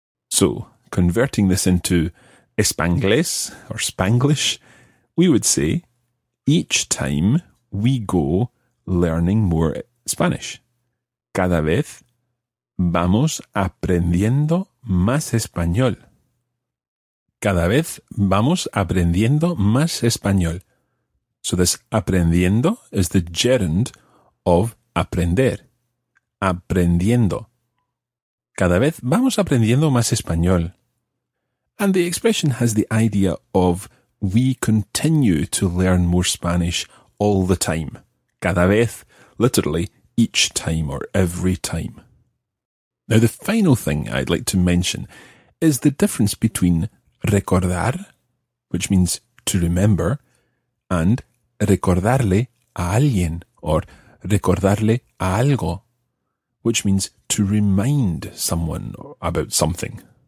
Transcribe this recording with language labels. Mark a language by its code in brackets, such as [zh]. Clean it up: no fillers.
[en] So, converting this into Espanglés or Spanglish, we would say, each time we go learning more Spanish. [es] cada vez vamos aprendiendo más español. Cada vez vamos aprendiendo más español. [en] So this aprendiendo is the gerund of aprender. [es] Aprendiendo. Cada vez vamos aprendiendo más español. [en] And the expression has the idea of we continue to learn more Spanish all the time. [es] Cada vez, [en] literally, each time or every time. Now the final thing I'd like to mention is the difference between recordar, which means to remember, and [es] recordarle a alguien, [en] or [es] recordarle a algo, [en] which means to remind someone about something.